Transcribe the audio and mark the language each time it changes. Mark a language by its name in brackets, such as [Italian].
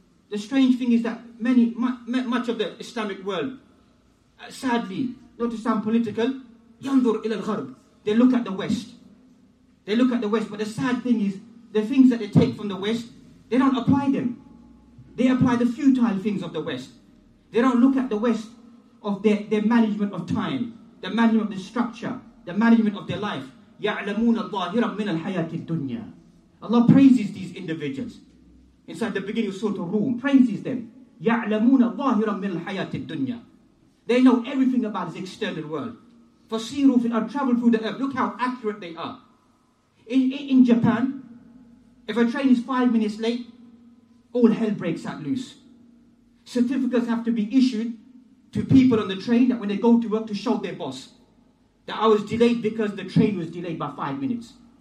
[English] The strange thing is that much of the Islamic world, sadly, not to sound political, [Arabic] ينظر إلى الغرب. [English] They look at the West. They look at the West. But the sad thing is, the things that they take from the West, they don't apply them. They apply the futile things of the West. They don't look at the West of their management of time, the management of the structure, the management of their life. [Arabic] يعلمون الظاهرة من الحياة الدنيا. [English] Allah praises these individuals. Inside the beginning of Surah Al-Rum, praises them. [Arabic] يعلمون الظاهرة من الحياة الدنيا. [English] They know everything about this external world. [Arabic] فَسِيرُوا فِي الْأَرْضِ, [English] travel through the earth. Look how accurate they are. In Japan, if a train is 5 minutes late, all hell breaks out loose. Certificates have to be issued to people on the train that when they go to work to show their boss that I was delayed because the train was delayed by 5 minutes.